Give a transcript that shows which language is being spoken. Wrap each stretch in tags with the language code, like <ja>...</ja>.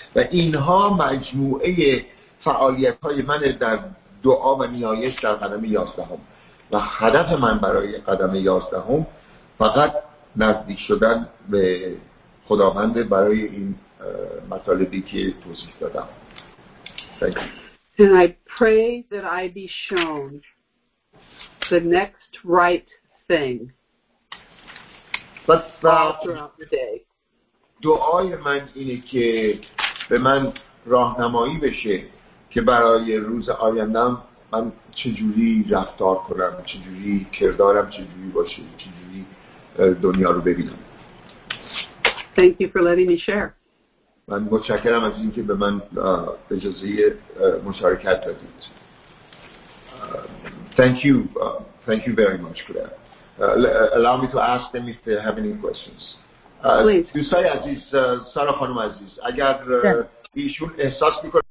<fa>و اینها مجموعه فعالیت‌های من در دعا و نیایش در قدم 11 هم. و هدف من برای قدم 11 هم فقط نزدیک شدن به خداوند برای این مطالبی که توضیح دادم.</fa> <en>And I pray that I be shown the next right thing. But throughout the day.</en> <fa>دعای من اینه که به من راهنمایی بشه که برای روز آیندم من چجوری رفتار کنم، چجوری کردارم چجوری باشه، چجوری دنیا رو ببینم.</fa> <en>Thank you for letting me share.</en> <fa>من متشکرم از اینکه به من اجازه مشارکت دادید.</fa> <en>Thank you very much for that. Allow me to ask them if they have any questions. Please.</en> <fa>دوستای عزیز، سارا خانم عزیز، اگر ایشون احساس میکنه</fa>